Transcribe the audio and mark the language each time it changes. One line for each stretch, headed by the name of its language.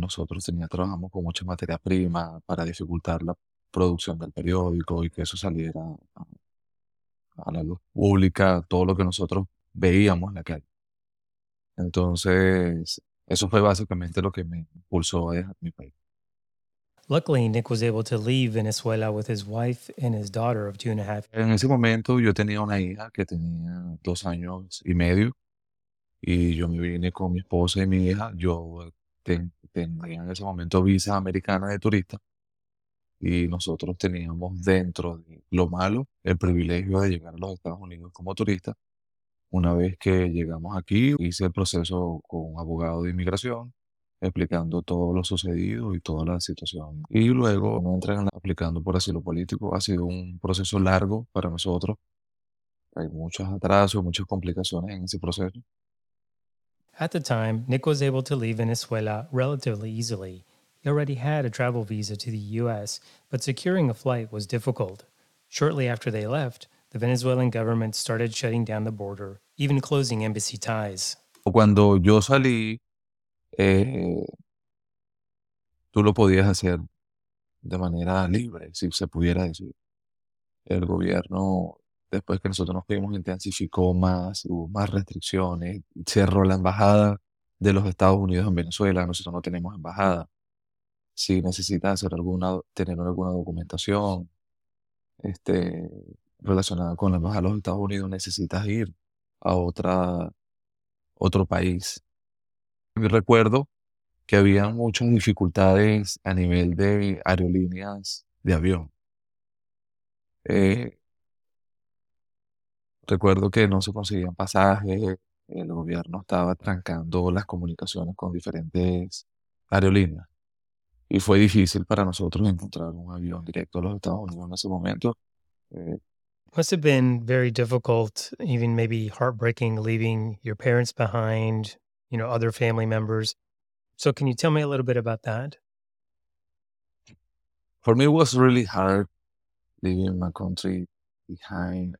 Spanish: Nosotros trabajamos con mucha materia prima para dificultar la producción del periódico y que eso saliera a la luz pública, todo lo que nosotros veíamos en la calle. Entonces, eso fue básicamente lo que me impulsó a dejar mi país.
English: Luckily, Nick was able to leave Venezuela with his wife and his daughter of 2.5
Spanish: years. En ese momento, yo tenía una hija que tenía 2 años y medio. Y yo me vine con mi esposa y mi hija. Yo tenía en ese momento visa americana de turista. Y nosotros teníamos dentro de lo malo el privilegio de llegar a los Estados Unidos como turista. Una vez que llegamos aquí, hice el proceso con un abogado de inmigración, explicando todo lo sucedido y toda la situación. Y luego entran aplicando por asilo político. Ha sido un proceso largo para nosotros. Hay muchos atrasos, muchas complicaciones en ese proceso.
English: At the time, Nick was able to leave Venezuela relatively easily. He already had a travel visa to the U.S., but securing a flight was difficult. Shortly after they left, the Venezuelan government started shutting down the border, even closing embassy ties.
Spanish: Cuando yo salí, tú lo podías hacer de manera libre, si se pudiera decir. El gobierno, después que nosotros nos fuimos, intensificó más, hubo más restricciones, cerró la embajada de los Estados Unidos en Venezuela. Nosotros no tenemos embajada. Si necesitas hacer tener alguna documentación relacionada con la embajada de los Estados Unidos, necesitas ir a otro país. Recuerdo que había muchas dificultades a nivel de aerolíneas de avión. Recuerdo que no se conseguían pasajes, el gobierno estaba trancando las comunicaciones con diferentes aerolíneas. Y fue difícil para nosotros encontrar un avión directo a los Estados Unidos en ese momento.
English: Must have been very difficult, even maybe heartbreaking, leaving your parents behind, you know, other family members. So can you tell me a little bit about that? For me, it was really hard leaving my country behind.